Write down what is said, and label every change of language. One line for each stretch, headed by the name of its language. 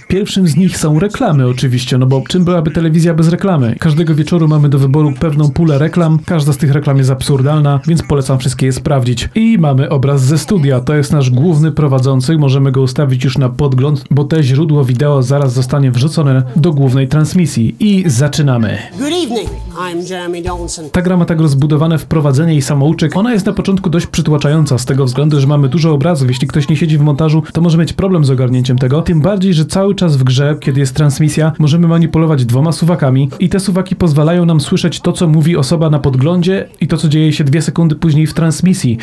Polish: Pierwszym z nich są reklamy oczywiście, no bo czym byłaby telewizja bez reklamy? Każdego wieczoru mamy do wyboru pewną pulę reklam, każda z tych reklam jest absurdalna, więc polecam wszystkie je sprawdzić. I mamy obraz ze studia, to jest nasz główny prowadzący, możemy go ustawić już na podgląd, bo te źródło wideo zaraz zostanie wrzucone do głównej transmisji. I zaczynamy.
English: Good evening, I'm Jeremy Donaldson.
Polish: Ta gra ma tak rozbudowane wprowadzenie i samouczenie. Ona jest na początku dość przytłaczająca, z tego względu, że mamy dużo obrazów. Jeśli ktoś nie siedzi w montażu, to może mieć problem z ogarnięciem tego. Tym bardziej, że cały czas w grze, kiedy jest transmisja, możemy manipulować 2 suwakami i te suwaki pozwalają nam słyszeć to, co mówi osoba na podglądzie i to, co dzieje się 2 sekundy później w transmisji.